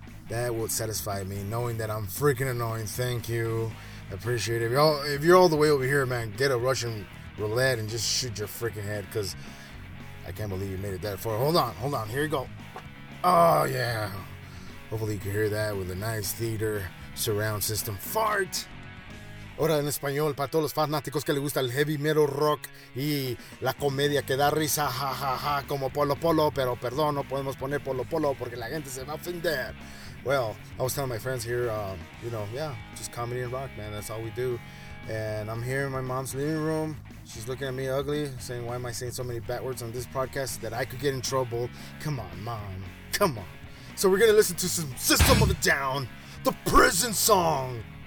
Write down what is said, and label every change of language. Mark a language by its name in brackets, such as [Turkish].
[English] That will satisfy me, knowing that I'm freaking annoying. Thank you. I appreciate it. If you're all the way over here, man, get a Russian roulette and just shoot your freaking head, because I can't believe you made it that far. Hold on. Here you go. Oh, yeah. Hopefully you can hear that with a nice theater surround system. Fart! [Spanish] Ahora en español, para todos los fanáticos que les gusta el heavy metal rock y la comedia que da risa, ja, ja, ja, como Polo Polo, pero perdón, no podemos poner Polo Polo porque la gente se va a ofender. [English] Well, I was telling my friends here, you know, yeah, just comedy and rock, man, that's all we do. And I'm here in my mom's living room. She's looking at me ugly, saying, why am I saying so many bad words on this podcast that I could get in trouble? Come on, Mom, come on. So we're going to listen to some System of a Down, the prison song.